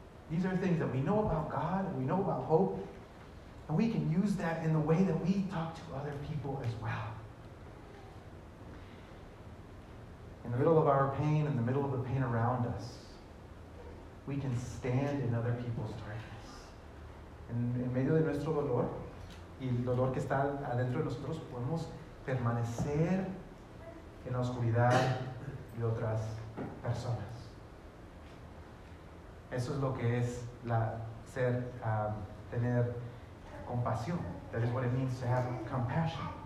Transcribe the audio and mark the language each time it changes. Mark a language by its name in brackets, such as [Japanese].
[English] These are things that we know about God, and we know about hope, and we can use that in the way that we talk to other people as well. In the middle of our pain, in the middle of the pain around us, we can stand in other people's darkness. [Spanish] En medio de nuestro dolor, y el dolor que está adentro de nosotros, podemos permanecer en la oscuridad de otras personas. Eso es lo que es la ser, tener compasión. [English] That is what it means to have compassion.